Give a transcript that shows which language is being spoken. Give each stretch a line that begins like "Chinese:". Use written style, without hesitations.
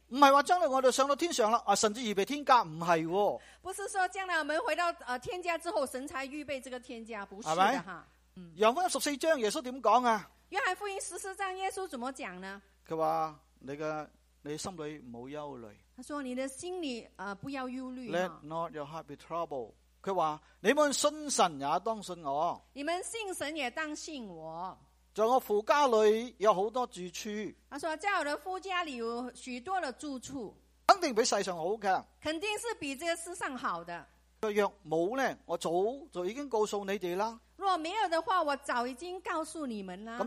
Chinese: 不是说将来我们上到天上了，神就预备天家，不是哦。不是说将来我们回到天家之后神才预备这个天家，不是的哈。约翰十四章耶稣怎么说啊？约翰福音十四章耶稣怎么讲呢？他说你心里不要忧虑，他说你的心里不要忧虑。
English: Let not your heart be troubled，
Chinese: 他说你们信神也当信我，你们信神也当信我，在我父家里有好多住处，他说在我的父家里有许多的住处，肯定比世上好的，肯定是比这个世上好的。若没有呢，我早就已经告诉你们了，若没有的话我早已经告诉你们了，